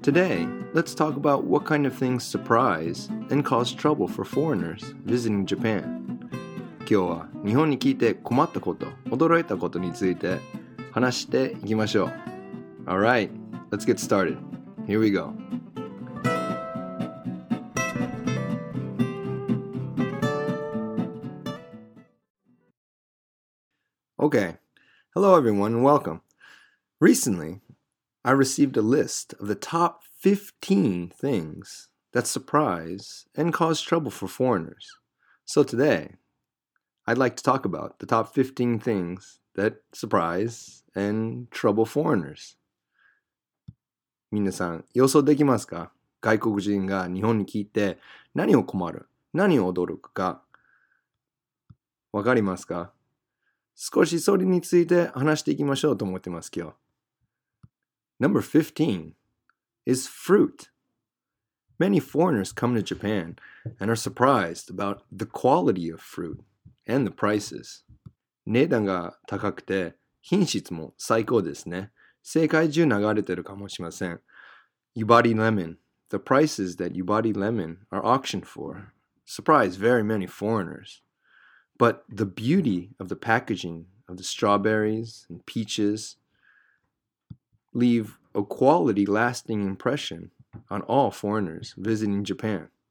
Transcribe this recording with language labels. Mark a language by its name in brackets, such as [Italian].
[English] Today, let's talk about what kind of things surprise and cause trouble for foreigners visiting Japan. [Japanese] 今日は日本に来て困ったこと、驚いたことについて話していきましょう。 [English] All right, let's get started. Here we go. Okay, hello everyone and welcome. Recently, I received a list of the top 15 things that surprise and cause trouble for foreigners. So today, I'd like to talk about the top 15 things that surprise and trouble foreigners. [Japanese] 皆さん、予想できますか？外国人が日本に来て何を困る？何を驚くか？わかりますか？少しそれについて話していきましょうと思ってます今日。 [English] Number 15 is fruit. Many foreigners come to Japan and are surprised about the quality of fruit and the prices. [Japanese] 値段が高くて品質も最高ですね。世界中流れてるかもしれません。 [English] Yubari lemon. The prices that Yubari lemon are auctioned for surprise very many foreigners. But the beauty of the packaging of the strawberries and peaches... leave a quality lasting impression on all foreigners visiting Japan.